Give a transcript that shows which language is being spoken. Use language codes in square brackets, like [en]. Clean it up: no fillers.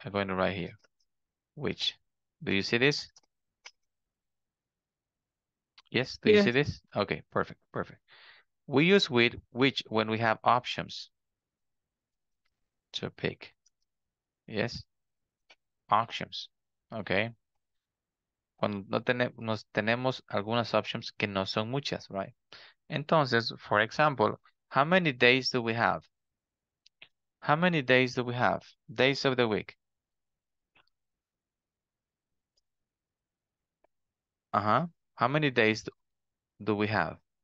[en] I'm going to write here, which. Do you see this? Yes, do you see this? Okay, perfect. We use which when we have options to pick. Yes, options, okay. [es] cuando no tenemos, tenemos algunas options que no son muchas, right? [en] Entonces, for example, how many days do we have? How many days do we have? Days of the week. How many days do we have?